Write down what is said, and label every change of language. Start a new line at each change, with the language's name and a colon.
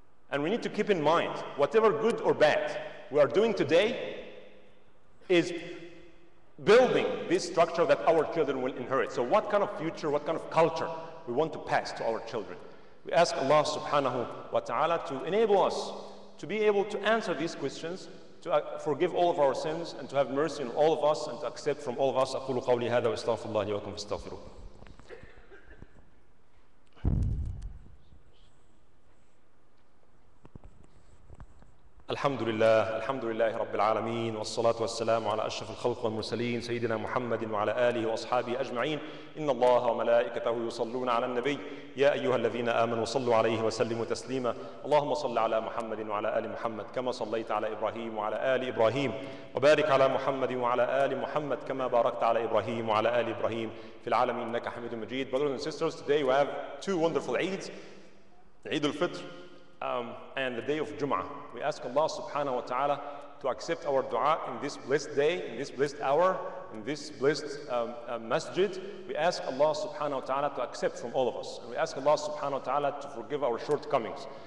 English: And we need to keep in mind, whatever good or bad, we are doing today is building this structure that our children will inherit. So what kind of future, what kind of culture we want to pass to our children? We ask Allah subhanahu wa ta'ala to enable us to be able to answer these questions, to forgive all of our sins, and to have mercy on all of us, and to accept from all of us.
Arabic: أقول قولي هذا واستغفر الله لي ولكم فاستغفروه. الحمد لله الحمد لله رب العالمين والصلاة والسلام على أشرف الخلق والمرسلين سيدنا محمد وعلى آله وأصحابه أجمعين إن الله وملائكته يصلون على النبي يا أيها الذين آمنوا صلوا عليه وسلموا تسليما اللهم صل على محمد وعلى آل محمد كما صليت على إبراهيم وعلى آل إبراهيم وبارك على محمد وعلى آل محمد كما باركت على إبراهيم وعلى آل إبراهيم في العالمين إنك حميد مجيد.
English: Brothers and sisters, today we have two wonderful Eids, Eid al-Fitr and the day of Jum'ah. We ask Allah subhanahu wa ta'ala to accept our dua in this blessed day, in this blessed hour, in this blessed masjid. We ask Allah subhanahu wa ta'ala to accept from all of us. And we ask Allah subhanahu wa ta'ala to forgive our shortcomings.